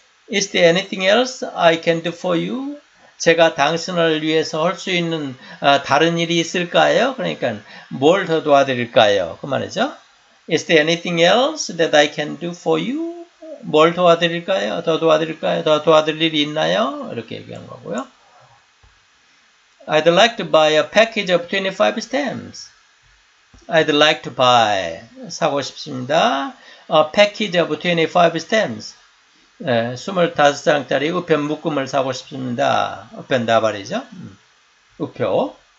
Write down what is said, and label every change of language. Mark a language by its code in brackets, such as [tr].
[en] Is there anything else I can do for you? [ko] 제가 당신을 위해서 할 수 있는 다른 일이 있을까요? 그러니까 뭘 더 도와드릴까요? 그 말이죠. [en] Is there anything else that I can do for you? [ko] 뭘 도와드릴까요? 더 도와드릴까요? 더 도와드릴 일이 있나요? 이렇게 얘기하는 거고요. [en] I'd like to buy a package of 25 stamps. I'd like to buy. [ko] 사고 싶습니다. [en] A package of 25 stamps. [ko] 25장짜리 우편 묶음을 사고 싶습니다. 우편 나발이죠. 우표.